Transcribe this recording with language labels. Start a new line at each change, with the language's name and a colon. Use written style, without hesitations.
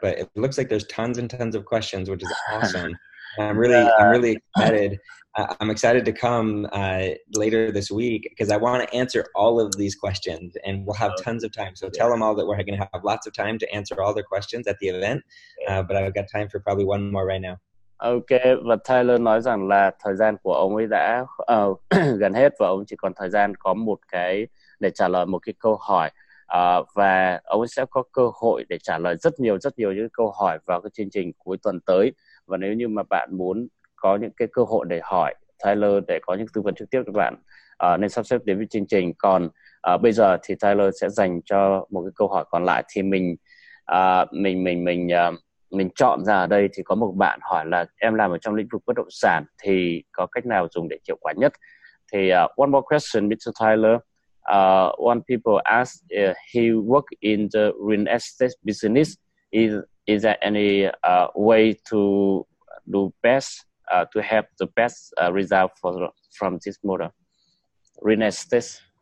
English: But it looks like there's tons and tons of questions, which is awesome. I'm really excited. I'm excited to come later this week because I want to answer all of these questions, and we'll have tons of time. So tell them all that we're going to have lots of time to answer all their questions at the event. But I've got time for probably one more right now.
Vietnamese: Ok, và Tyler nói rằng là thời gian của ông ấy đã gần hết, và ông chỉ còn thời gian có một cái để trả lời một cái câu hỏi, và ông ấy sẽ có cơ hội để trả lời rất nhiều những câu hỏi vào cái chương trình cuối tuần tới. Và nếu như mà bạn muốn có những cái cơ hội để hỏi Tyler, để có những tư vấn trực tiếp cho bạn, nên sắp xếp đến với chương trình. Còn bây giờ thì Tyler sẽ dành cho một cái câu hỏi còn lại, thì mình chọn ra ở đây thì có một bạn hỏi là em làm ở trong lĩnh vực bất động sản thì có cách nào dùng để hiệu quả nhất. Thì
English: one more question, Mr. Tyler. One people ask, he work in the real estate business. Is there any way to do best, to have the best result from this model? Real estate.